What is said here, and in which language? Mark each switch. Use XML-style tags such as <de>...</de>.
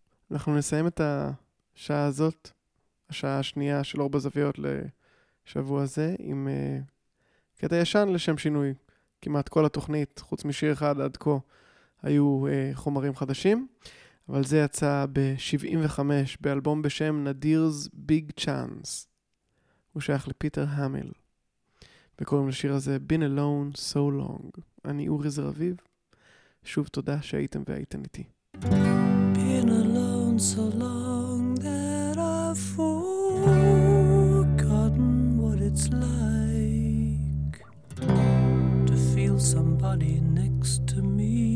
<he>אנחנו נסיים את השעה הזאת, השעה השנייה של אור בזוויות לשבוע זה, עם קטע ישן לשם שינוי, כמעט כל התוכנית, חוץ משיר אחד עד כה, היו חומרים חדשים, אבל זה יצא ב-75 באלבום בשם Nadir's Big Chance. הוא שייך לפיטר המיל. וקוראים לשיר הזה Been Alone So Long. אני אורי זרביב. שוב תודה שהייתם והייתן איתי.</he> <en>Been alone so long that I've forgotten what it's like to feel somebody next to me.</en>